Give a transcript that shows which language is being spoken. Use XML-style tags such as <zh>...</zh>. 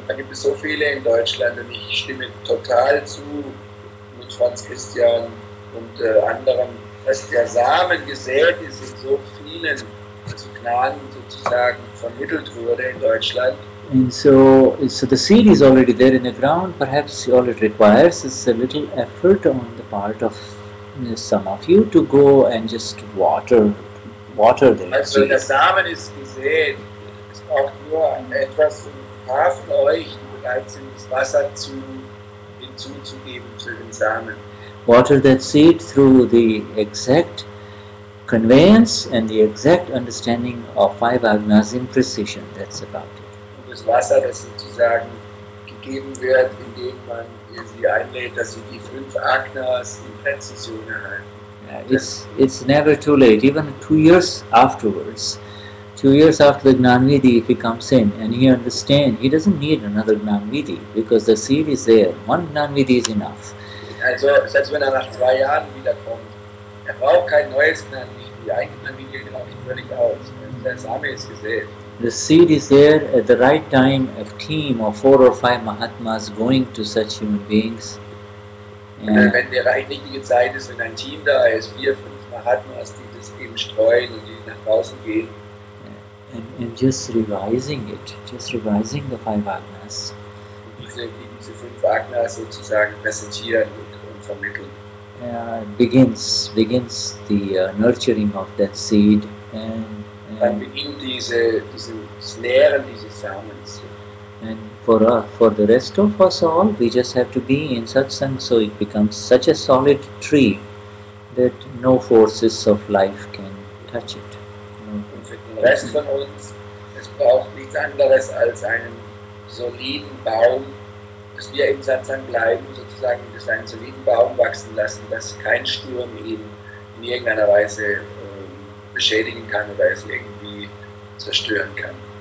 <de>Da gibt es so viele in Deutschland, und ich stimme total zu mit Franz Christian und anderen, dass der Samen gesät ist in so vielen, also Gnan sozusagen vermittelt wurde in Deutschland.</de> <en>And so the seed is already there in the ground. Perhaps all it requires is a little effort on the part of some of you to go and just water the seed.</en> <de>Also, der Samen ist gesät. Es braucht nur etwas von ein paar von euch, die bereit sind, das Wasser hinzuzugeben zu den Samen.</de> <en>Water that seed through the exact conveyance and the exact understanding of five agnas in precision. That's about it.</en> <de>Und das Wasser, das sozusagen gegeben wird, indem man sie einlädt, dass sie die fünf Agnas in Präzision erhalten.</de> <en>it's never too late. Even 2 years afterwards, 2 years after the Gnanvidhi, if he comes in and he understands, he doesn't need another Gnanvidhi because the seed is there. One Gnanvidhi is enough.</en> <de>Also, selbst wenn nach 2 Jahren wiederkommt, braucht kein neues Gnanvidhi. Ein Gnanvidhi reicht völlig aus. Der Same ist gesät.</de> <en>The seed is there at the right time, a team of 4 or 5 Mahatmas going to such human beings.</en> <de>Wenn die richtige Zeit ist, wenn ein Team da ist, 4, 5 Mahatmas, die das eben streuen und die nach draußen gehen.</de> <en>And just revising it, just revising the 5 Agnas.</en> <de>Diese 5 Agnas sozusagen präsentieren und vermitteln.</de> <en>Begins the nurturing of that seed.</en> <de>Dann beginnt dieses Nähren dieses Samens.</de> <en>And for the rest of us all, we just have to be in Satsang so it becomes such a solid tree that no forces of life can touch it.</en> <de>Für den Rest von uns, es braucht nichts anderes als einen soliden Baum, dass wir im Satsang bleiben, sozusagen, dass einen soliden Baum wachsen lassen, dass kein Sturm ihn in irgendeiner Weise beschädigen kann oder es irgendwie zerstören kann.</de>